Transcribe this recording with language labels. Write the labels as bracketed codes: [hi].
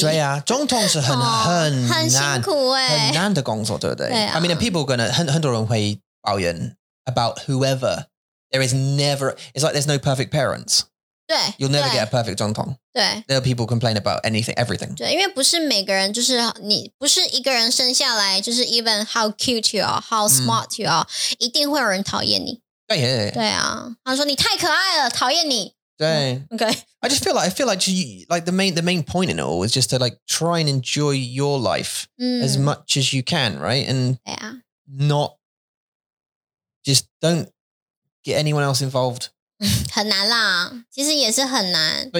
[zh] 对啊，总统是很难的工作，对不对？ [en] Yeah. I mean, people are gonna [zh] 很多人会抱怨 [en] about whoever. There is never. It's like there's no perfect parents. [zh] 对, [en] you'll never get a perfect 总统.There are people complain about anything, everything. [zh] 对，因为不是每个人，就是你不是一个人生下来，就是 [en] even how cute you are, [zh] how smart you are, 一定会有人讨厌你. 对啊，他说你太可爱了，讨厌你. 对. [en] Okay. I feel like the main point in it all is just to like try and enjoy your life as much as you can, right? And not just don't get anyone else involved. [zh] 很难啦，其实也是很难。But